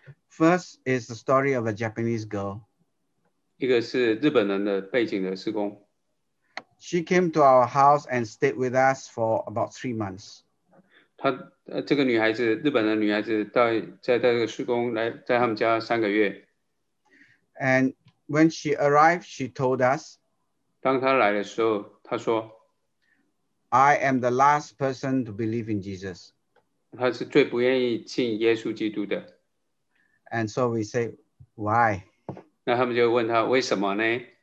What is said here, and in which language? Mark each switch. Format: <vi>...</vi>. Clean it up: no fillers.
<en>First is the story of a Japanese girl.</en> <zh>一个是日本人的背景的事工。</zh> <en>She came to our house and stayed with us for about 3 months.</en> <zh>这个女孩子，日本的女孩子，在这个事工来，在他们家3个月。</zh> <en>And when she arrived, she told us,</en> <zh>当她来的时候，她说，</zh> <en>I am the last person to believe in Jesus.</en> <zh>她是最不愿意信耶稣基督的。</zh> <en>And so we say, why?</en> <zh>那他们就问她，为什么呢？</zh>